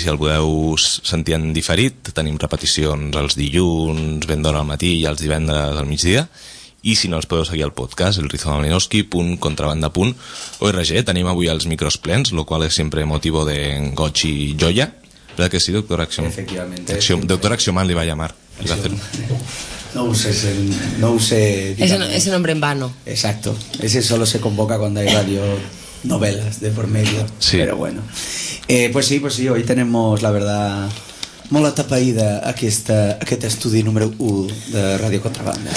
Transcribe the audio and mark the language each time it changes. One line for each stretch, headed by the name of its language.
Catalan: Si el podeu sentir en diferit, tenim repeticions els dilluns, ben d'hora al matí i els divendres al migdia. I si no, els podeu seguir al podcast, el rizoma Malinowski.contrabanda.org. Tenim avui els micros plens, lo qual és sempre motivo de goig i joia.
Spanish: ¿Verdad que sí, doctor Axiom? Efectivamente. Axiom, doctor Axiomán le va a llamar. Axiom. Va a hacer... No use... Ese nombre en vano. Exacto. Ese solo se convoca cuando hay radionovelas de por medio. Sí. Pero bueno. Pues sí, hoy tenemos, la verdad,
Catalan: molt atapeïda aquest estudi número 1 de Ràdio Contrabanda.